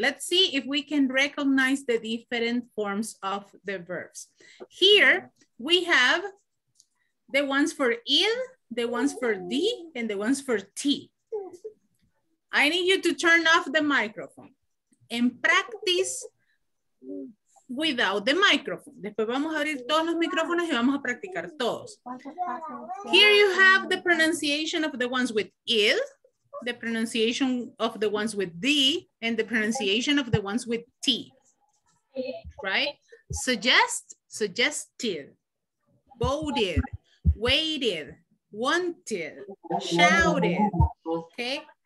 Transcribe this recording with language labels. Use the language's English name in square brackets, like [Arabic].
[English] Let's see if we can recognize the different forms of the verbs. Here we have the ones for ill, the ones for D, and the ones for T. I need you to turn off the microphone and practice without the microphone. [Spanish] Después vamos a abrir todos los micrófonos y vamos a practicar todos. [English] Here you have the pronunciation of the ones with ill, the pronunciation of the ones with D, and the pronunciation of the ones with T. Right? Suggest, suggested, voted, waited, wanted, shouted. Okay?